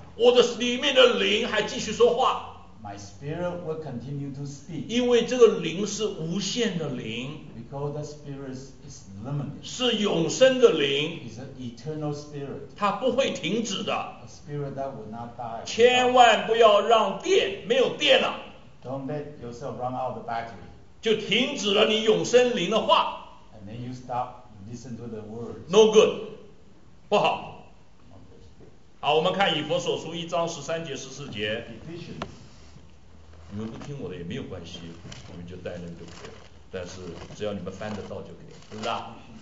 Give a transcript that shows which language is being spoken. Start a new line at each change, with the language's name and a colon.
Chinese: 我的里面的灵还继续说话。
English: My spirit will continue to speak.
Chinese: 因为这个灵是无限的灵。
English: Because the spirit is limited.
Chinese: 是永生的灵。
English: It's an eternal spirit.
Chinese: 它不会停止的。
English: A spirit that will not die.
Chinese: 千万不要让电没有电了。
English: Don't let yourself run out of the battery.
Chinese: 就停止了你永生灵的话。
English: And then you stop listening to the words. No good.
Chinese: 不好。好，我们看以弗所书一章十三节十四节。
English: Ephesians.
Chinese: 你们不听我的也没有关系，我们就带那个就可以了，但是只要你们翻得到就可以，是不是啊？